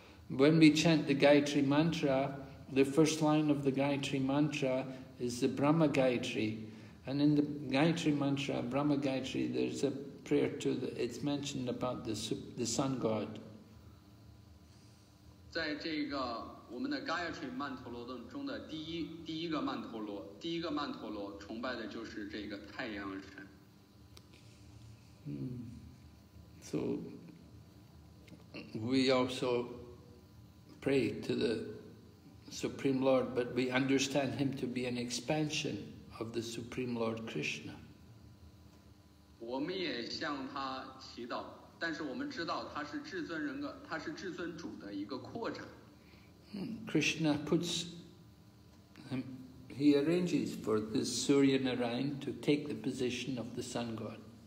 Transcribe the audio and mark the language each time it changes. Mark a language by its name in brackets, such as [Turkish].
[English] When we chant the Gayatri Mantra, the first line of the Gayatri Mantra is the Brahma Gayatri. And in the Gayatri Mantra, Brahma Gayatri, there's a prayer to the, it's mentioned about the sun god. [Chinese] 在这个我们的 Gayatri 曼陀罗中的第一个曼陀罗，第一个曼陀罗崇拜的就是这个太阳神。 [English] So we also pray to the Supreme Lord, but we understand him to be an expansion of the Supreme Lord Krishna. [Chinese] 我们也向他祈祷，但是我们知道他是至尊人格，他是至尊主的一个扩展。 [English] Krishna puts him, he arranges for this Surya Narayan to take the position of the sun god.